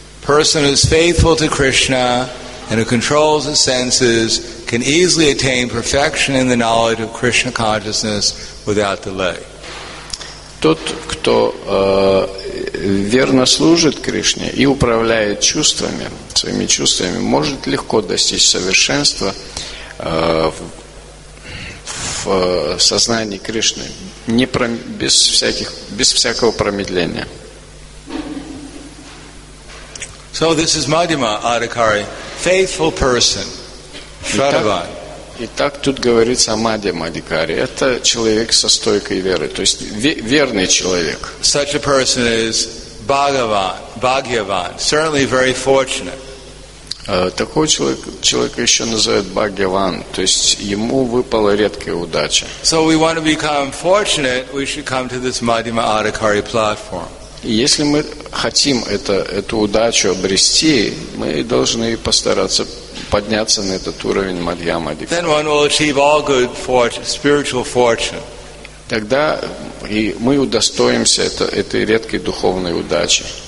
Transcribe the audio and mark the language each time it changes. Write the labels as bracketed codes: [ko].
[en] Person who is faithful to Krishna and who controls his senses can easily attain perfection in the knowledge of Krishna consciousness without delay. [ru] Тот, кто верно служит Кришне и управляет чувствами, своими чувствами, может легко достичь совершенства в сознании Кришны без всякого промедления. [en] So this is Madhyama Adhikari, faithful person, Shravan. [ru] Итак, тут говорится о Мадхьяма Адхикари. Это человек со стойкой верой, то есть верный человек. [en] Such a person is Bhagavan, Bhagyavan, certainly very fortunate. [ru] Такого человека еще называют Бхагьяван, то есть ему выпала редкая удача. [en] So we want to become fortunate, we should come to this Madhyama Adhikari platform. [ru] Если мы хотим эту удачу обрести, мы должны постараться подняться на этот уровень Мадьяма Адхикари. [en] Then one will achieve all good spiritual fortune. [ru] Тогда и мы удостоимся этой редкой духовной удачи.